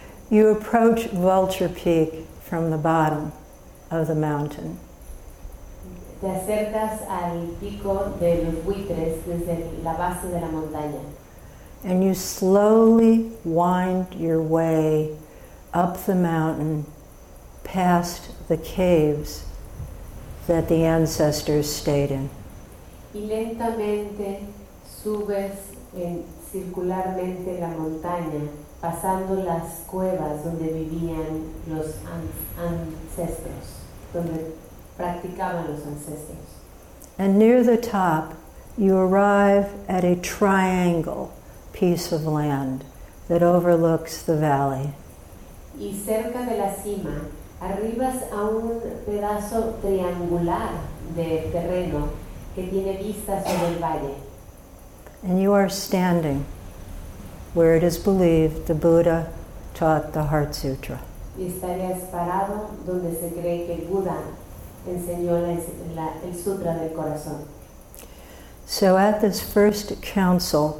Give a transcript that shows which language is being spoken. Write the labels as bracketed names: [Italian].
[English] You approach Vulture Peak from the bottom of the mountain. [Spanish] Te acercas al pico de los buitres desde la base de la montaña. [English] And you slowly wind your way up the mountain past the caves that the ancestors stayed in. [Spanish] y lentamente subes circularmente la montaña, pasando las cuevas donde vivían los ancestros, donde practicaban los ancestros. [English] And near the top, you arrive at a triangle piece of land that overlooks the valley. [Spanish] Y cerca de la cima, arribas a un pedazo triangular de terreno que tiene vista sobre el valle. [English] And you are standing where it is believed the Buddha taught the Heart Sutra. [Spanish] Y estarías parado donde se cree que Buda enseñó el Sutra del Corazón. [English] So at this first council,